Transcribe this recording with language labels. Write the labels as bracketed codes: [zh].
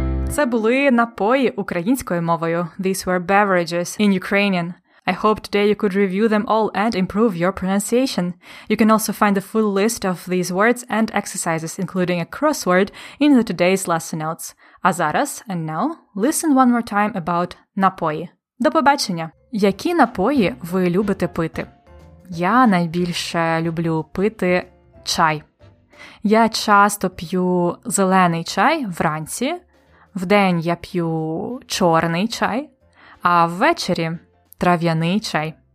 [uk] Це були напої українською мовою. [en] These were beverages in Ukrainian. I hope today you could review them all and improve your pronunciation. You can also find the full list of these words and exercises, including a crossword, in the today's lesson notes. [uk] А зараз, [en] and now, listen one more time about напої. [uk] До побачення! Які напої ви любите пити? Я найбільше люблю пити чай. Я часто п'ю зелений чай вранці, вдень я п'ю чорний чай, а ввечері трав'яний чай.